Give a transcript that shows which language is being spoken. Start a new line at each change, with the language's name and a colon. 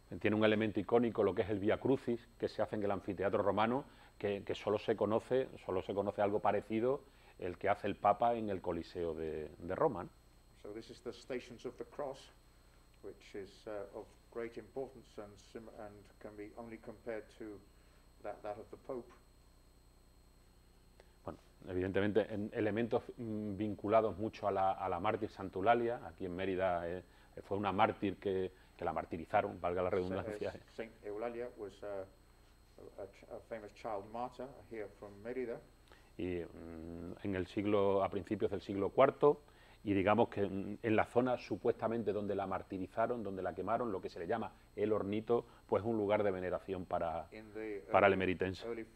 Spanish: Tiene un elemento icónico, lo que es el Via Crucis, que se hace en el anfiteatro romano, que solo se conoce algo parecido el que hace el Papa en el Coliseo de Roma.
English: So this is the Stations of the Cross, which is of great importance and can be only compared to that of the Pope.
Spanish: Evidentemente, elementos vinculados mucho a la mártir Santa Eulalia. Aquí en Mérida fue una mártir que la martirizaron, valga la redundancia.
English: Saint Eulalia was a famous child martyr here from Mérida.
Spanish: Y a principios del siglo IV, y digamos que en la zona supuestamente donde la martirizaron, donde la quemaron, lo que se le llama el Hornito, pues un lugar de veneración para el emeritense.